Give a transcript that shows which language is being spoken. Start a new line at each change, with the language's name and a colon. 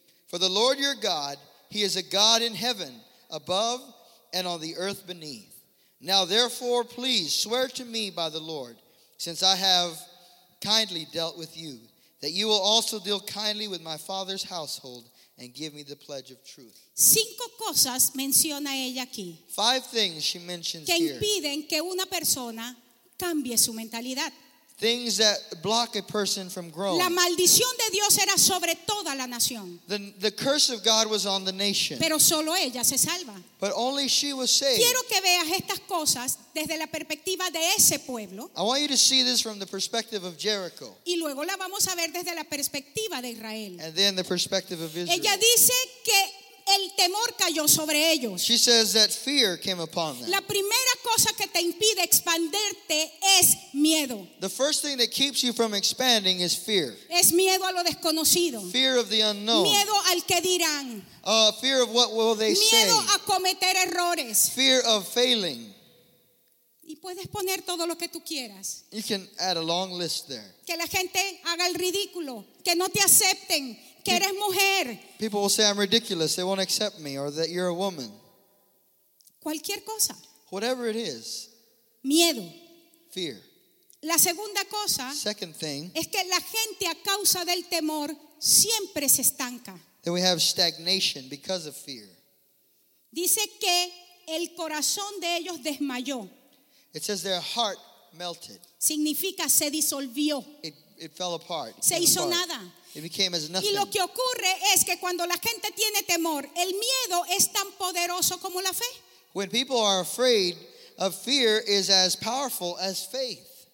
English: For the Lord your God, he is a God in heaven above and on the earth beneath. Now therefore, please swear to me by the Lord, since I have kindly dealt with you, that you will also deal kindly with my father's household and give me the pledge of truth.
Spanish: Cinco cosas menciona ella aquí.
English: Five things she mentions
Spanish: que impiden que una persona cambie su mentalidad.
English: Things that block a person from growing.
Spanish: La maldición de Dios era sobre toda la nación.
English: The curse of God was on the nation.
Spanish: Pero solo ella se salva.
English: But only she was saved.
Spanish: Quiero que veas estas cosas desde la perspectiva de ese pueblo.
English: I want you to see this from the perspective of Jericho.
Spanish: Y luego la vamos a ver desde la perspectiva de Israel.
English: And then the perspective of Israel.
Spanish: Ella dice que El temor cayó sobre ellos.
English: She says that fear came upon them.
Spanish: La primera cosa que te impide expandirte es miedo.
English: The first thing that keeps you from expanding is fear.
Spanish: Es miedo a lo desconocido.
English: Fear of the unknown.
Spanish: Miedo al que dirán.
English: Fear of what will they
Spanish: miedo
English: say.
Spanish: Miedo a cometer errores.
English: Fear of failing.
Spanish: Y puedes poner todo lo que tú quieras.
English: You can add a long list there.
Spanish: Que la gente haga el ridículo, que no te acepten. Que eres mujer.
English: People will say I'm ridiculous. They won't accept me, or that you're a woman.
Spanish: Cualquier cosa.
English: Whatever it is.
Spanish: Miedo.
English: Fear.
Spanish: La segunda cosa.
English: Second thing.
Spanish: Es que la gente a causa del temor siempre se estanca.
English: Then we have stagnation because of fear.
Spanish: Dice que el corazón de ellos desmayó.
English: It says their heart melted.
Spanish: Significa se disolvió.
English: It fell apart.
Spanish: Se hizo nada.
English: It became as nothing.
Spanish: Y lo que ocurre es que cuando la gente tiene temor, el miedo es tan poderoso como la fe.
English: When people are afraid, a fear is as powerful as faith.